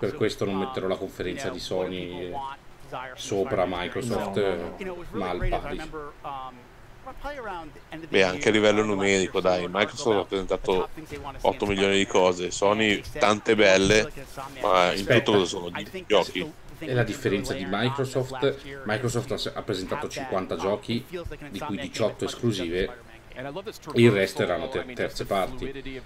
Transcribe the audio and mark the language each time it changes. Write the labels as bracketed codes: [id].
[it] per questo non metterò la conferenza di Sony sopra Microsoft. [en] You know, it was really great. I remember [it] Beh, anche a livello numerico, dai, Microsoft ha presentato 8 milioni di cose, Sony tante belle, ma in tutto cosa sono giochi? È la differenza di Microsoft. Microsoft ha presentato 50 giochi, di cui 18 esclusive, il resto erano terze parti.